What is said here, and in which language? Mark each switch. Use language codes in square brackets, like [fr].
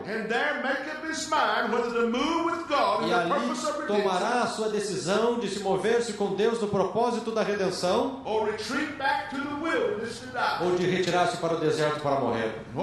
[en] And there make up his mind whether to move with God in the purpose of redemption. [pt] E ali tomará a sua decisão de se mover-se com Deus no propósito da redenção. [en] Or retreat back to the wilderness to die. [pt] Ou de retirar-se para o deserto para morrer.